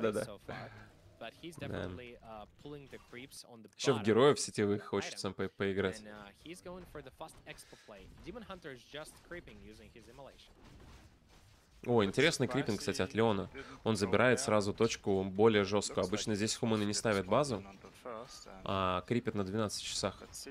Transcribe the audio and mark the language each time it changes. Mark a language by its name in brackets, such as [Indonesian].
[English] But he's definitely pulling the creeps on the [Russian] еще в героев сетевых хочется поиграть. [English] And, he's going for the fast expo play. Demon Hunter is just creeping using his immolation. [Russian] О, интересный крипинг, кстати, от Леона. Он забирает сразу точку более жесткую. Обычно здесь хуманы не ставят базу, а крипит на 12 часах.